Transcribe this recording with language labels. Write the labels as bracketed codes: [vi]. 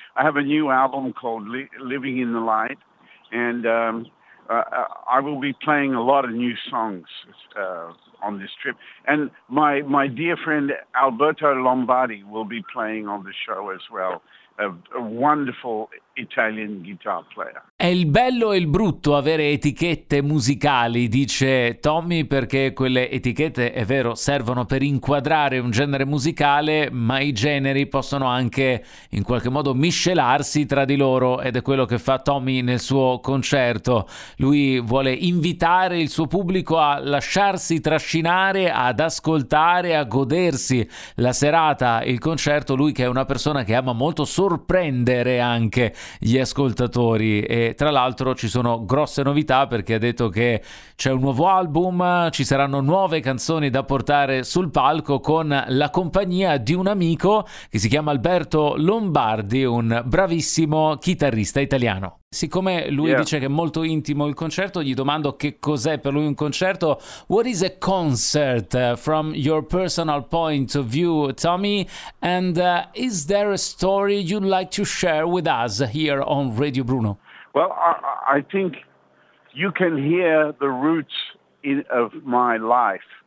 [en] I have a new album called Living in the Light, and I will be playing a lot of new songs on this trip, and my dear friend Alberto Lombardi will be playing on the show as well. A wonderful Italian guitar player. [it] È il bello e il brutto avere etichette musicali, dice Tommy, perché quelle etichette, è vero, servono per inquadrare un genere musicale, ma i generi possono anche in qualche modo miscelarsi tra di loro, ed è quello che fa Tommy nel suo concerto. Lui vuole invitare il suo pubblico a lasciarsi trascinare, ad ascoltare, a godersi la serata, il concerto. Lui, che è una persona che ama molto sorprendere anche gli ascoltatori, e tra l'altro ci sono grosse novità, perché ha detto che c'è un nuovo album, ci saranno nuove canzoni da portare sul palco con la compagnia di un amico che si chiama Alberto Lombardi, un bravissimo chitarrista italiano. Siccome lui dice che è molto intimo il concerto, gli domando che cos'è per lui un concerto. [en] What is a concert from your personal point of view, Tommy? And is there a story you'd like to share with us here on Radio Bruno? Well, I think you can hear the roots of my life.